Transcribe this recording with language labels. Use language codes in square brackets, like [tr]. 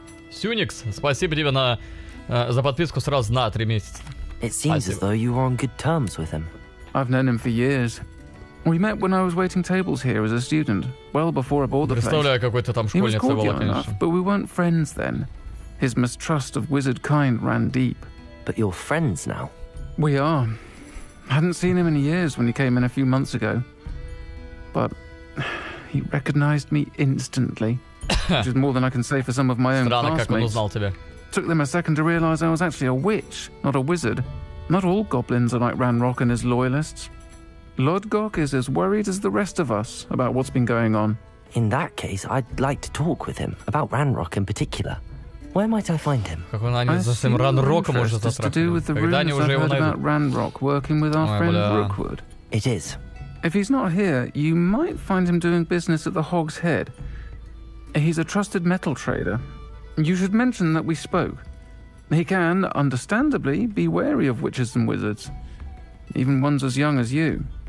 [ru] Сюникс, спасибо тебе на за подписку сразу на 3 месяца. [en] It seems as though you were on good terms with him. I've known him for years. We met when I was waiting tables here as a student, well before I bought the place. [ru] Представляю, какой-то там школьница была, конечно. [en] He was cordial enough, but we weren't friends then. His mistrust of wizard kind ran deep. But you're friends now. We are. I hadn't seen him in years when he came in a few months ago. But he recognized me instantly. Which is more than I can say for some of my own classmates. Took them a second to realize I was actually a witch, not a wizard. Not all goblins are like Ranrok and his loyalists. Lodgok is as worried as the rest of us about what's been going on. In that case, I'd like to talk with him, about Ranrok in particular. Where might I find him? [ru] Как он они за этим Ранроком уже затрахнули? Когда они уже его найдут? [en] Ranrok working with our friend Rookwood. It is. If he's not here, you might find him doing business at the Hog's Head. He's a trusted metal trader. You should mention that we spoke. He can, understandably, be wary of witches and wizards, even ones as young as you.